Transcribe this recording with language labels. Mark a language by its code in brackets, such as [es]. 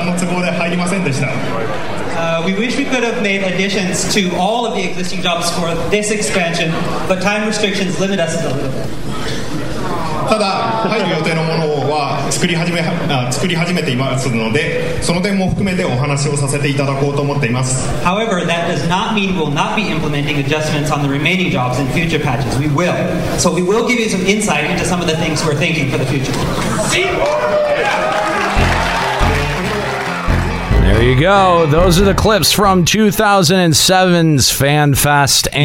[en] We wish we could have made additions to all of the existing jobs for this expansion, but time restrictions limit us a little bit. [ja] ただ入る予定のものは作り始めていますのでその点も含めてお話をさせていただこうと思っています。 [en] However, that does not mean we'll not be implementing adjustments on the remaining jobs in future patches. We will. So we will give you some insight into some of the things we're thinking for the future. There you go. Those are the clips from 2007's FanFest. And